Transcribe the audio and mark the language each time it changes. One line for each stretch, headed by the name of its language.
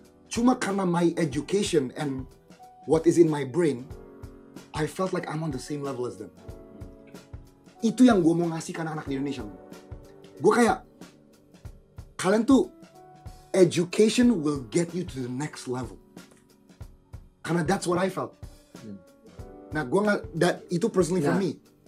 Indonesian: Cuma karena
English: my education and what is in my brain, I felt like I'm on the same level as them.
Indonesian: Itu yang gue mau ngasih ke anak-anak di Indonesia. Gue kayak, kalian tuh,
English: education will get you to the next level.
Indonesian: Karena
English: that's what I felt.
Indonesian: Nah, gue nggak, that itu
English: personally for me.